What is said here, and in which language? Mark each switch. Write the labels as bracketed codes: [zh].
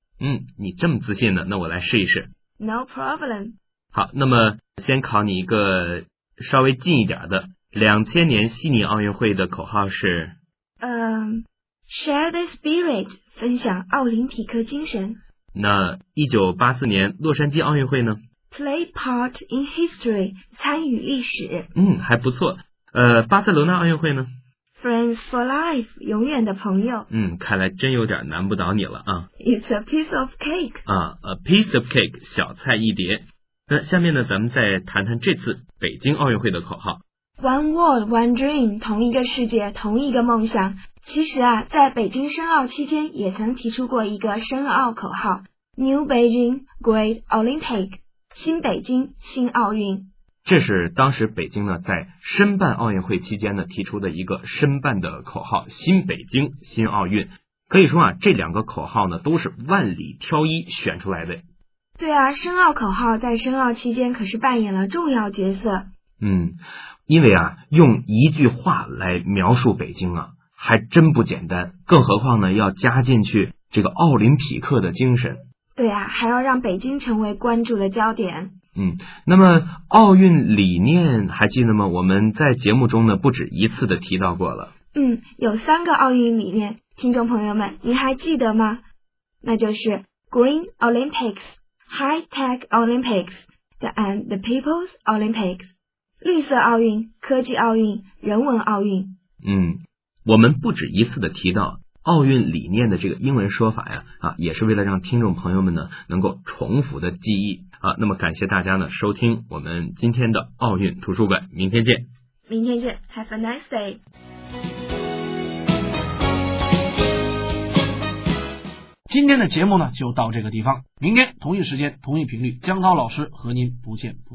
[zh] 嗯，你这么自信呢，那我来试一试。 [en] No problem。 [zh] 好，那么先考你一个稍微近一点的，2000年悉尼奥运会的口号是？ [en] Share the spirit, [zh] 分享奥林匹克精神。那1984年洛杉矶奥运会呢？ [en] Play part in history, [zh] 参与历史。嗯，还不错。巴塞罗那奥运会呢？ [en] Friends for life, [zh] 永远的朋友。嗯，看来真有点难不倒你了啊。 [en] It's a piece of cake. [zh] 啊，a piece of cake, 小菜一碟。那下面呢，咱们再谈谈这次北京奥运会的口号。 [en] One world, one dream, [zh] 同一个世界，同一个梦想。其实啊，在北京申奥期间也曾提出过一个申奥口号 , [en] New Beijing, Great Olympic, [zh] 新北京，新奥运。这是当时北京呢在申办奥运会期间呢提出的一个申办的口号，新北京新奥运。可以说啊，这两个口号呢都是万里挑一选出来的。对啊，申奥口号在申奥期间可是扮演了重要角色。嗯，因为啊用一句话来描述北京啊还真不简单，更何况呢要加进去这个奥林匹克的精神。对啊，还要让北京成为关注的焦点。嗯，那么奥运理念还记得吗？我们在节目中呢不止一次的提到过了。嗯，有三个奥运理念，听众朋友们您还记得吗？那就是 [en] Green Olympics, High Tech Olympics, and the People's Olympics, [zh] 绿色奥运、科技奥运、人文奥运。嗯，我们不止一次的提到奥运理念的这个英文说法呀，啊，也是为了让听众朋友们呢能够重复的记忆。啊，那么感谢大家呢收听我们今天的奥运图书馆，明天见。明天见 ， [en] Have a nice day。 [zh] 今天的节目呢就到这个地方，明天同一时间同一频率，江涛老师和您不见不散。